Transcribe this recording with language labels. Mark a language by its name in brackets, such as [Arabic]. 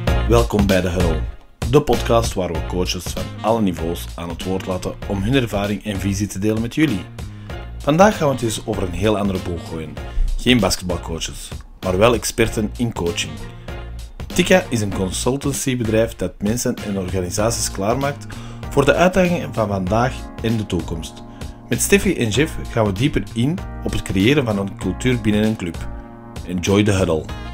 [Dutch] Welkom bij De Huddle, de podcast waar we coaches van alle niveaus aan het woord laten om hun ervaring en visie te delen met jullie. Vandaag gaan we het eens over een heel andere boel gooien. Geen basketbalcoaches, maar wel experten in coaching. Tika is een consultancybedrijf dat mensen en organisaties klaarmaakt voor de uitdagingen van vandaag en de toekomst. Met Steffi en Jeff gaan we dieper in op het creëren van een cultuur binnen een club. [English] Enjoy the huddle!